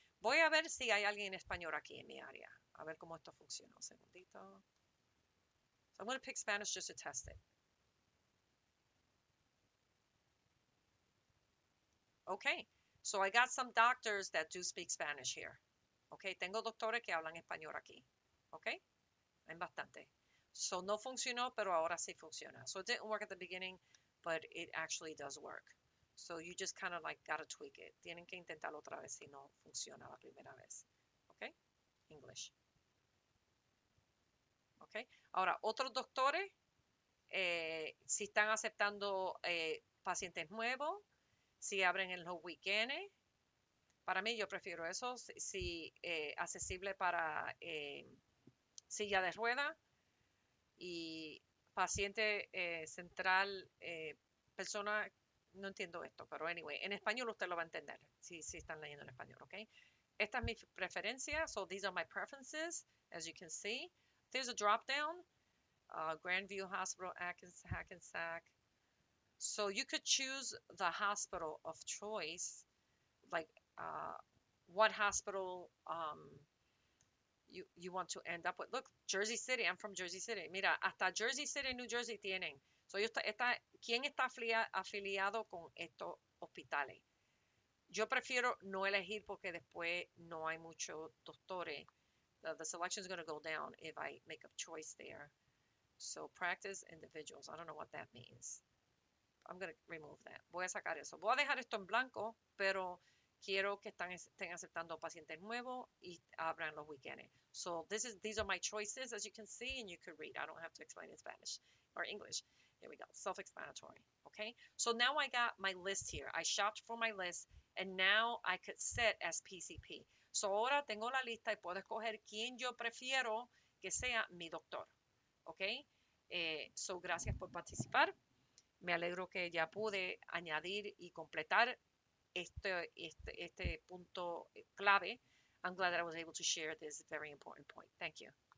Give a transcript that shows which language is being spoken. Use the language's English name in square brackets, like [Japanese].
[Spanish] Voy a ver si hay alguien en español aquí en mi área. A ver cómo esto funciona. Un segundito. [English] So I'm going to pick Spanish just to test it. Okay, so I got some doctors that do speak Spanish here. [Spanish] Okay, tengo doctores que hablan español aquí. Okay, hay bastante. So no funcionó, pero ahora sí funciona. [English] So it didn't work at the beginning, but it actually does work. So you just kind of like gotta tweak it. [Spanish] Tienen que intentarlo otra vez si no funciona la primera vez. Okay? English. Okay. Ahora, otros doctores, si están aceptando pacientes nuevos, si abren en los weekends. Para mí, yo prefiero eso. Si accesible para silla de rueda y paciente central, persona. No entiendo esto, pero anyway, en español usted lo va a entender si están leyendo en español, ¿ok? Esta es mi preferencia, [English] so these are my preferences, as you can see. There's a drop down, Grandview Hospital, Hackensack. So you could choose the hospital of choice, like what hospital you want to end up with. Look, Jersey City, I'm from Jersey City. [Spanish] Mira, hasta Jersey City, New Jersey tienen. So, ¿quién está afiliado con estos hospitales? Yo prefiero no elegir porque después no hay muchos doctores. [English] The selection is going to go down if I make a choice there. So practice individuals. I don't know what that means. I'm going to remove that. [Spanish] Voy a sacar eso. Voy a dejar esto en blanco, pero quiero que estén aceptando pacientes nuevos y abran los weekends. [English] So this is, these are my choices, as you can see, and you can read. I don't have to explain in Spanish or English. Here we go. Self-explanatory. Okay. So now I got my list here. I shopped for my list, and now I could set as PCP. [Spanish] So ahora tengo la lista y puedo escoger quién yo prefiero que sea mi doctor. Okay. So gracias por participar. Me alegro que ya pude añadir y completar este punto clave. [English] I'm glad that I was able to share this very important point. Thank you.